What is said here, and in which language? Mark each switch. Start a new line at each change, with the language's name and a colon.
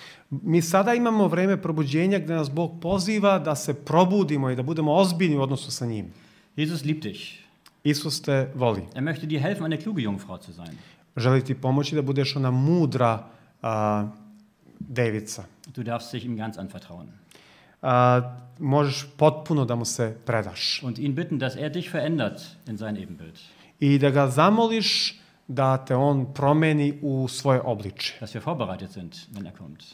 Serbian: Mi sada imamo vreme probuđenja gde nas Bog poziva da se probudimo i da budemo ozbiljni u odnosu sa njim.
German: Jesus liebt dich.
Serbian: Isus te voli.
German: Er möchte dir helfen, eine kluge Jungfrau zu sein.
Serbian: Želi ti pomoći da budeš ona mudra devica.
German: Du darfst dich ihm ganz anvertrauen.
Serbian: Možeš potpuno da mu se predaš.
German: Und ihn bitten, dass er dich verändert in sein Ebenbild.
Serbian: I da ga zamoliš da te on promeni u svoje obličje.
German: Dass wir vorbereitet sind, wenn er kommt.